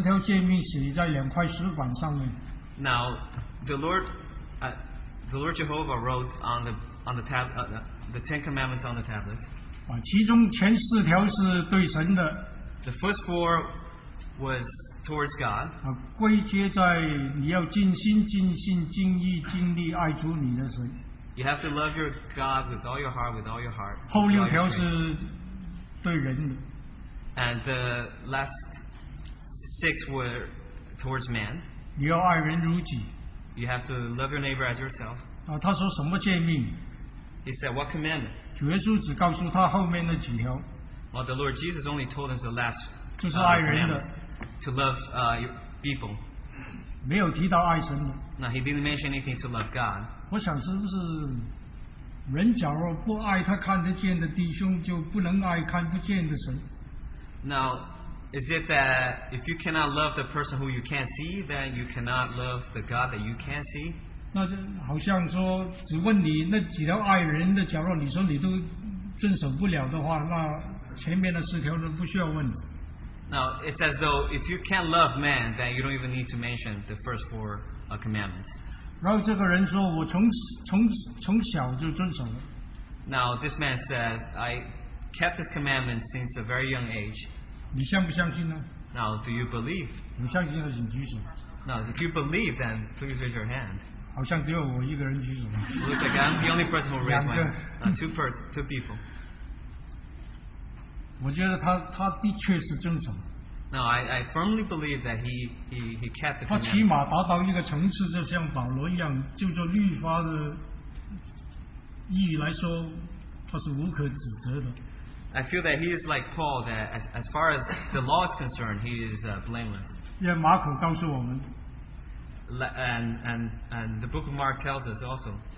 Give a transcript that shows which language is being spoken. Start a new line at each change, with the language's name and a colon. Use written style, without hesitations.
Chinese: 当日神在西乃山把那十条诫命写在两块石板上面。
English: Now, the Lord Jehovah wrote on the Ten Commandments on the tablet.
Chinese: 其中前四条是对神的。
English: The first four was towards God.
Chinese: 归结在你要尽心尽性尽意尽力爱主你的神。
English: You have to love your God with all your heart, with all your heart.
Chinese: 后六条是对人的。
English: And the last six were towards man.
Chinese: 你要爱人如己。
English: You have to love your neighbor as yourself.
Chinese: 他说什么诫命?
English: He said, what commandment?
Chinese: 主耶稣只告诉他后面那几条。
English: Well, the Lord Jesus only told him the last commandments to love your people.
Chinese: 没有提到爱神的。
English: Now, he didn't mention anything to love God.
Chinese: 我想是不是 人假如不爱他看得见的弟兄就不能爱看不见的神。
English: Now, is it that if you cannot love the person who you can't see, then you cannot love the God that you can't see?
Chinese: 那就好像说只问你那几条爱人的假如你说你都遵守不了的话, 那前面的四条都不需要问你。
English: Now, it's as though if you can't love man, then you don't even need to mention the first four commandments.
Chinese: 然后这个人说我从小就遵守了。
English: Now, this man says, I kept his commandments since a very young age.
Chinese: 你相不相信呢?
English: Now, do you believe?
Chinese: 你相信了请举手。
English: Now, if you believe, then please raise your hand.
Chinese: 好像只有我一个人举手。
English: Looks like I'm the only person who raised my hand. Two people.
Chinese: 我觉得他的确是遵守。
English: Now, I firmly believe that he kept the commandments.
Chinese: 他起码达到一个层次, 就像保罗一样, 就做律法的意义来说, 他是无可指责的。
English: I feel that he is like Paul, that as far as the law is concerned, he is blameless.
Chinese: 让马可告诉我们,
English: and the book of Mark tells us also.